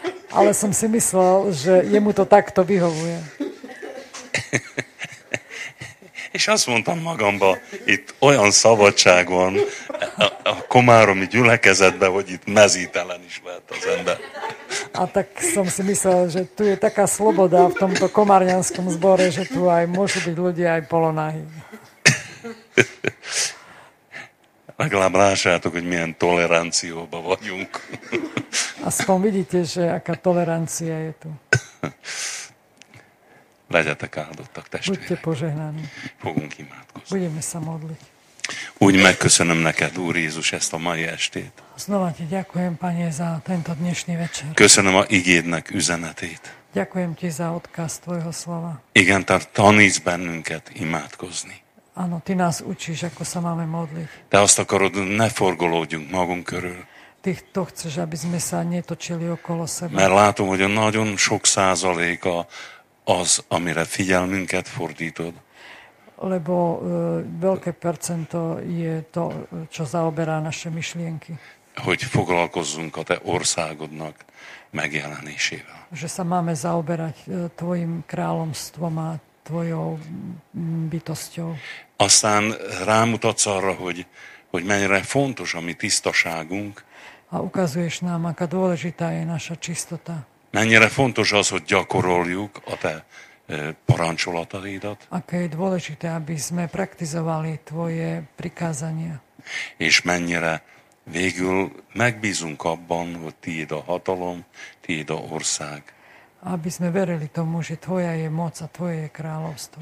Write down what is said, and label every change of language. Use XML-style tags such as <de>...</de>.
<sk>Ale som si myslel, že jemu to takto vyhovuje.</sk> <hu>És azt mondtam magamba, itt olyan szabadság van a komáromi gyülekezetben, hogy itt mezítelen is lehet az ember.</hu> <sk>A tak som si myslel, že tu je taká sloboda v tomto komárňanskom zbore, že tu aj môžu byť ľudia aj polonáhy.</sk> <hu>Legalább lássátok, hogy milyen tolerancióban vagyunk.</hu> <sk>Aspoň vidíte, že aká tolerancia je tu.</sk> <hu>Legyetek áldottak, testvérek.</hu> <sk>Buďte požehnaní.</sk> <hu>Fogunk imádkozni.</hu> <sk>Budeme sa modliť.</sk> <hu>Úgy megköszönöm neked, Úr Jézus, ezt a mai estét.</hu> <sk>Znova ti ďakujem, Panie, za tento dnešný večer.</sk> <hu>Köszönöm a igédnek üzenetét.</hu> <sk>Ďakujem ti za odkaz tvojho slova.</sk> <hu>Igen, tehát taníts bennünket imádkozni.</hu> <sk>Áno, ty nás učíš, ako sa máme modliť.</sk> <hu>Te azt akarod, ne forgolódjunk magunk körül.</hu> <sk>Ty to chceš, aby sme sa netočili okolo seba.</sk> <hu>Mert látom, hogy a nagyon sok százaléka az, amire figyelmünket fordítod.</hu> <sk>Lebo veľké percento je to, čo zaoberá naše myšlienky.</sk> <hu>Hogy foglalkozzunk a te országodnak megjelenésével.</hu> <sk>Že sa máme zaoberať tvojim kráľomstvom a tvojou bytosťou.</sk> <hu>Aztán rámutatsz arra, hogy mennyire fontos a mi tisztaságunk.</hu> <sk>A ukazuješ nám, aká dôležitá je naša čistota.</sk> <hu>Mennyire fontos az, hogy gyakoroljuk a te parancsolataidat.</hu> <sk>Aké je dôležité, aby sme praktizovali tvoje prikázania.</sk> <hu>És mennyire végül megbízunk abban, hogy tiéd a hatalom, tiéd a ország.</hu> <sk>Aby sme verili tomu, že tvoja je moc a tvoje je kráľovstvo.</sk>